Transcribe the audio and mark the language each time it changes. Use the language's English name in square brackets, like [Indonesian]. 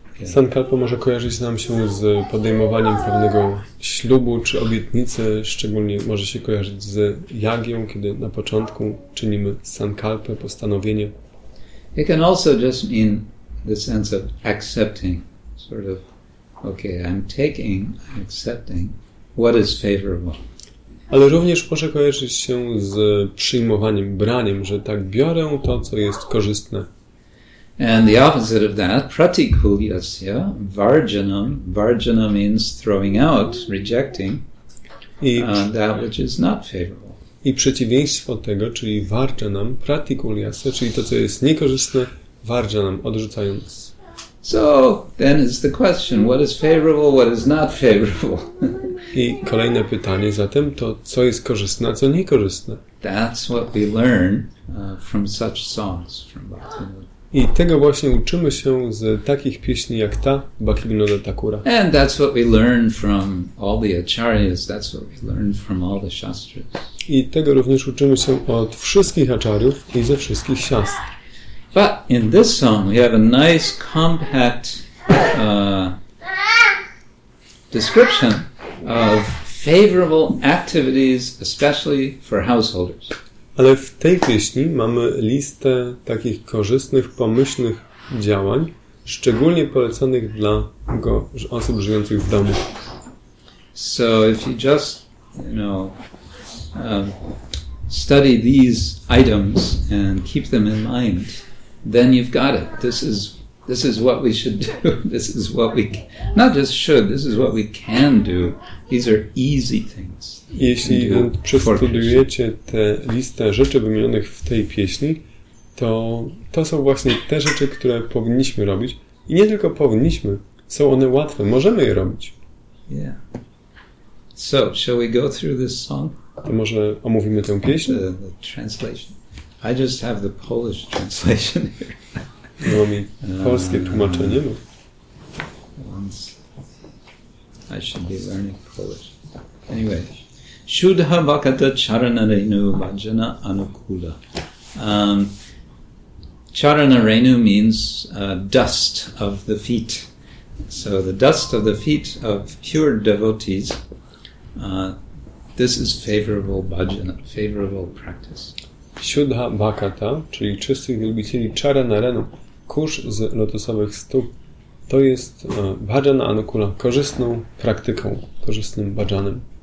[Polish] Sankalpa może kojarzyć nam się z podejmowaniem pewnego ślubu czy obietnicy, szczególnie może się kojarzyć z jagią, kiedy na początku czynimy sankalpę, postanowienie. [English] It can also just mean the sense of accepting, sort of, okay, I'm taking, I'm accepting what is favorable. [Polish] Ale również może kojarzyć się z przyjmowaniem, braniem, że tak biorę to, co jest korzystne. [English] And the opposite of that, pratikulyasya, varjanam. Varjana means throwing out, rejecting that which is not favorable. [Polish] I przeciwieństwo tego, czyli varjanam, pratikulyasya, czyli to, co jest niekorzystne, varjanam, odrzucając. [English] So then is the question, what is favorable, what is not favorable? [Polish] I kolejne pytanie zatem to, co jest korzystne, a co niekorzystne. [English] That's what we learn from such songs from Bhaktivinoda. [Polish] I tego właśnie uczymy się z takich pieśni jak ta Bhaktivinoda Thakura. [English] And that's what we learn from all the acharyas, that's what we learn from all the shastras. [Polish] I tego również uczymy się od wszystkich acharyów i ze wszystkich siastr. [English] But in this song we have a nice compact description of favorable activities especially for householders. [Polish] Ale w tej pieśni mamy listę takich korzystnych, pomyślnych działań, szczególnie polecanych dla osób żyjących w domu. [English] So if you just, you know, study these items and keep them in mind, then you've got it. This is what we should do. This is what we not just should, this is what we can do. These are easy things. [Polish] Jeśli przestudujecie tę listę rzeczy wymienionych w tej pieśni, to są właśnie te rzeczy, które powinniśmy robić. I nie tylko powinniśmy, są one łatwe, możemy je robić. [English] Yeah. So, shall we go through this song? [Polish] To może omówimy tę pieśń? [English] The translation. I just have the Polish translation here. [Polish] No, mi polskie tłumaczenie. [English] Once I should be learning Polish. Anyway. [Bangla] Shuddha Bhakata Charana Renu Vajana Anukula. [English] Charana Renu means dust of the feet. So the dust of the feet of pure devotees, this is favorable bhajana, favorable practice. [Bangla] Shuddha Bhakata, [Polish] czyli czystych wielbicieli [Bangla] Charana Renu, [Polish] kurz z lotosowych stóp, to jest [Bangla] bhajana anukula, [Polish] korzystną praktyką, korzystnym bhajanem.